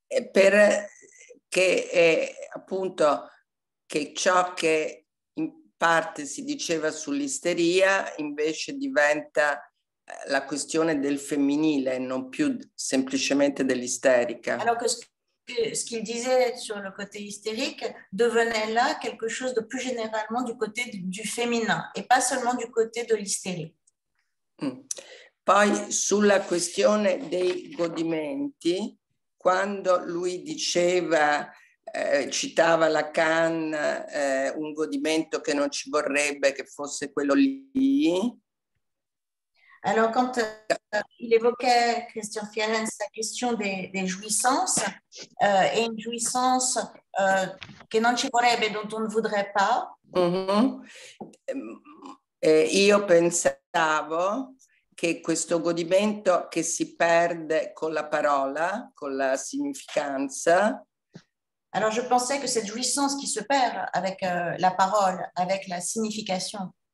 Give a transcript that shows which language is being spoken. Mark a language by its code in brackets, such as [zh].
[it] per che appunto che ciò che in parte si diceva sull'isteria invece diventa la questione del femminile, non più semplicemente dell'isterica. [fr] Alors que ce qu'il disait sur le côté hystérique devenait là quelque chose de plus généralement du côté du féminin et pas seulement du côté de l'isterie. [it] Poi sulla questione dei godimenti, quando lui diceva, citava Lacan, un godimento che non ci vorrebbe, che fosse quello lì. [fr] Alors, quand il évoquait, Christian Fierens, la question des jouissances, et une jouissance que [it] non ci vorrebbe, [fr] dont on ne voudrait pas, [it] Io pensavo che questo godimento che si perde con la parola, con la significanza. [fr] Alors je pensais que cette jouissance qui se perd avec la parole, avec la signification.